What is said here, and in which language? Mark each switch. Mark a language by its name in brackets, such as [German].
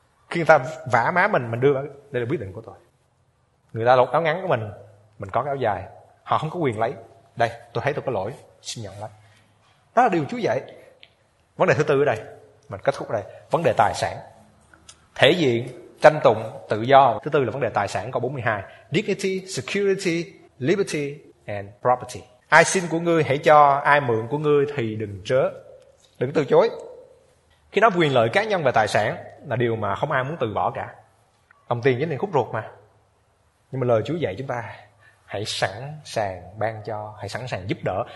[Vietnamese] Khi người ta vả má mình đưa đây là quyết định của tôi. Người ta lột áo ngắn của mình có cái áo dài, họ không có quyền lấy. Đây, tôi thấy tôi có lỗi, xin nhận lấy. Đó là điều Chúa dạy. Vấn đề thứ tư ở đây, mình kết thúc ở đây. Vấn đề tài sản, thể diện, tranh tụng, tự do. Thứ tư là vấn đề tài sản, câu 42. [English] Dignity, security, liberty and property. [Vietnamese] Ai xin của ngươi hãy cho, ai mượn của ngươi thì đừng trớ. Đừng từ chối. Khi nói quyền lợi cá nhân về tài sản là điều mà không ai muốn từ bỏ cả. Đồng tiền chính là khúc ruột mà. Nhưng mà lời Chúa dạy chúng ta, hãy sẵn sàng ban cho, hãy sẵn sàng giúp đỡ.